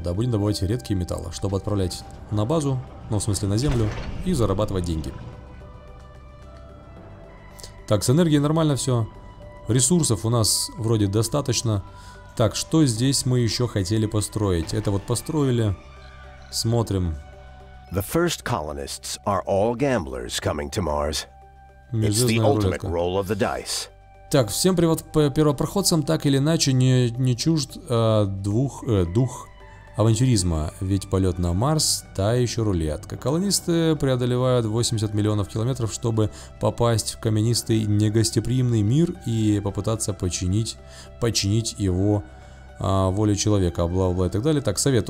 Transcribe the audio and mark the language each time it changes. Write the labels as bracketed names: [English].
[Russian] Да, будем добывать редкие металлы, чтобы отправлять на базу, ну, в смысле, на землю, и зарабатывать деньги. Так, с энергией нормально все. Ресурсов у нас вроде достаточно. Так, что здесь мы еще хотели построить? Это вот построили. Смотрим. [English] The first colonists are all gamblers coming to Mars. It's the ultimate roll of the dice. [Russian] Так, всем привет первопроходцам, так или иначе, не чужд дух авантюризма. Ведь полет на Марс – та еще рулетка. Колонисты преодолевают 80 миллионов километров, чтобы попасть в каменистый негостеприимный мир и попытаться починить его воле человека, бла-бла-бла и так далее. Так, совет.